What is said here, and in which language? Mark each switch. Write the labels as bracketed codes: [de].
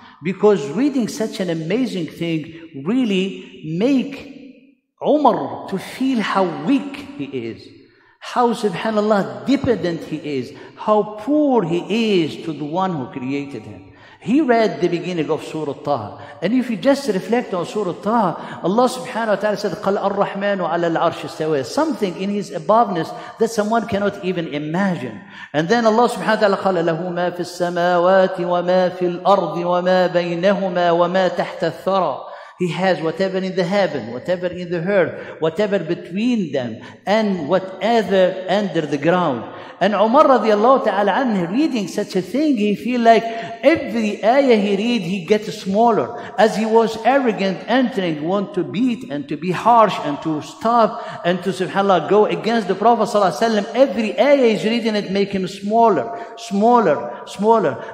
[en] Because reading such an amazing thing really make Umar to feel how weak he is, how, subhanAllah, dependent he is, how poor he is to the one who created him. He read the beginning of Surah Taha. And if you just reflect on Surah Taha, Allah subhanahu wa ta'ala said, [ar] قَلْ أَرْرَحْمَانُ عَلَى الْعَرْشِ اسْتَوَى. [en] Something in his aboveness that someone cannot even imagine. And then [ar] Allah subhanahu wa ta'ala قَلْ لَهُ مَا فِي السَّمَاوَاتِ وَمَا فِي الْأَرْضِ وَمَا بَيْنَهُمَا وَمَا تَحْتَ الثَّرَى. [en] He has whatever in the heaven, whatever in the earth, whatever between them, and whatever under the ground. And Umar radiallahu ta'ala anhu, reading such a thing, he feel like every ayah he read, he gets smaller. As he was arrogant, entering, want to beat and to be harsh and to stop and to, subhanAllah, go against the Prophet sallallahu alayhi wa sallam, every ayah he's reading it make him smaller, smaller, smaller.